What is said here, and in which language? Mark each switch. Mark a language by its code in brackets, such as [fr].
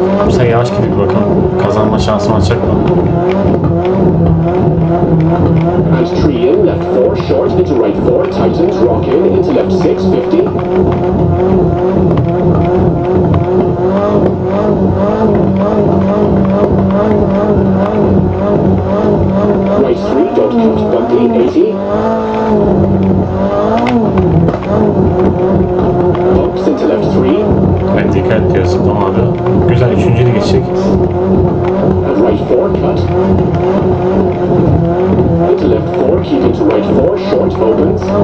[tr] Sen yavaş gidip bakalım. Kazanma şansı açacak mı? [en] right tree in, left four short, into right four, tightens, rock in, into left six, 50. Right three, don't cut, bumpy, 80. Bumps into left three. [tr] Evet, dikkat ediyorsun, tamamdır. Güzel, üçüncüyle geçecek. [en] And right four, cut. Into left four, keep into right four, short opens.